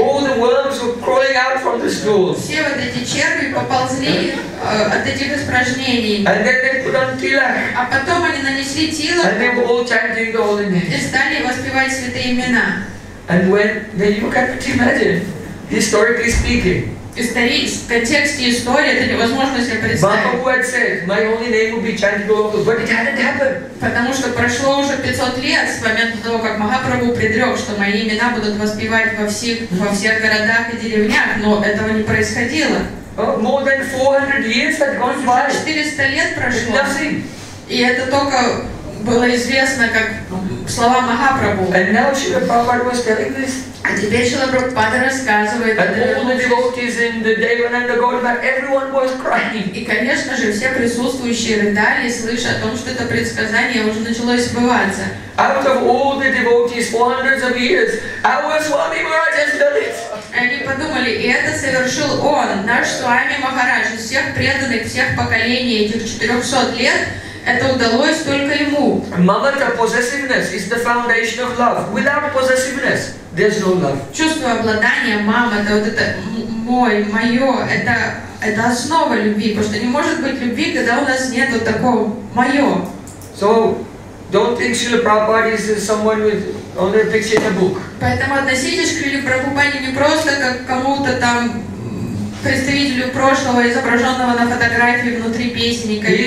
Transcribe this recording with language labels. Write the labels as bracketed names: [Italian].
[English] All the worms were crawling out from the stools. [Russian] Все вот эти черви поползли от этих испражнений. [English] And then they put on tilak. [Russian] А потом они нанесли тилак. [English] And they were all chanting the holy name. [Russian] И стали воспевать святые имена. [English] And when they, you can't imagine. Historically speaking, [Russian] в контексте истории это невозможно себе представить. [English] Baba Bhu had said, my only name will be chanted all over, but it hadn't happened. [Russian] Потому что прошло уже 500 лет с момента того, как Махапрабху предрек, что мои имена будут воспевать во всех городах и деревнях, но этого не происходило. [English] More than 400 years had gone by. [Russian] 400 лет прошло. [English] Nothing. [Russian] И это только было известно как слова Махапрабху. [English] And now Srila Prabhupada was telling this. [Russian] А теперь Шрила Прабхупада рассказывает. [English] And all the devotees in the Devananda Gaudiya Math, everyone was crying. [Russian] И, конечно же, все присутствующие рыдали, слыша о том, что это предсказание уже началось сбываться. [English] Out of all the devotees for hundreds of years, our Swami Maharaj has done it. [Russian] Они подумали, и это совершил он, наш Свами Махарадж, из всех преданных, всех поколений этих 400 лет. Это удалось только ему. [English] Mamata, possessiveness, is the foundation of love. Without possessiveness, there's no love. [Russian] Чувство обладания, мама, это вот это мой, мое, это основа любви, потому что не может быть любви, когда у нас нет вот такого мое. [English] So, don't think Srila Prabhupada is someone with only a picture in a book. [Russian] Поэтому относитесь к Шриле Прабхупаде не просто как к кому-то там представителю прошлого, изображенного на фотографии внутри песни.